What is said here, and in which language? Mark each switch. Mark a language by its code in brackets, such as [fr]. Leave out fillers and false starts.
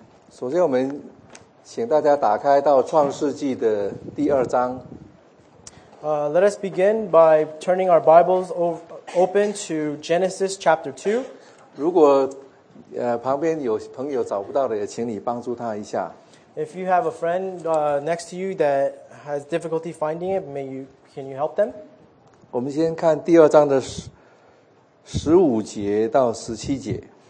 [zh] 首先我们请大家打开到创世纪的第二章。 [en] Let us begin by turning our Bibles open to Genesis chapter 2. [zh] 如果旁边有朋友找不到的，也请你帮助他一下。 [en] If you have a friend next to you that has difficulty finding it, can you help them? [zh] 我们先看第二章的15节到17节。